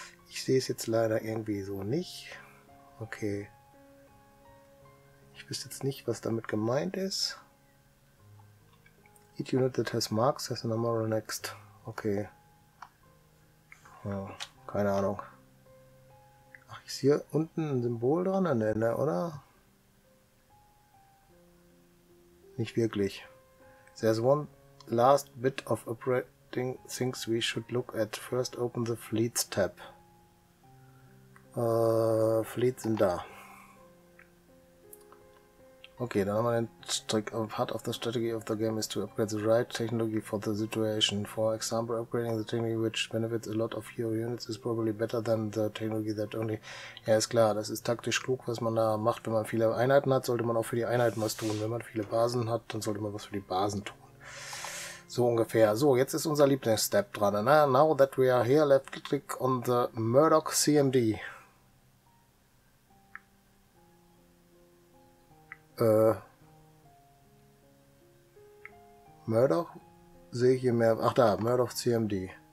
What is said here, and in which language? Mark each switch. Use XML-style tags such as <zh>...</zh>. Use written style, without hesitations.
<de>Ich sehe es jetzt leider irgendwie so nicht. Okay. Ich wüsste jetzt nicht, was damit gemeint ist.</de> <en>Each unit that has marks has a number next.</en> <de>Okay. Ja, keine Ahnung. Ach, ist hier unten ein Symbol dran an der Ende, oder? Nicht wirklich.</de> <en>There's one last bit of operating things we should look at. First open the Fleets tab.</en> <de>Fleets sind da. Okay, dann haben wir den Trick.</de> <en>Part of the strategy of the game is to upgrade the right technology for the situation. For example, upgrading the technology which benefits a lot of your units is probably better than the technology that only...</en> <de>Ja, ist klar, das ist taktisch klug, was man da macht. Wenn man viele Einheiten hat, sollte man auch für die Einheiten was tun. Wenn man viele Basen hat, dann sollte man was für die Basen tun. So ungefähr. So, jetzt ist unser Lieblingsstep dran.</de> <en>Now that we are here, let's click on the Murdoch CMD.</en> <de>Murdoch sehe ich hier mehr. Ach da, Murdoch CMD.</de>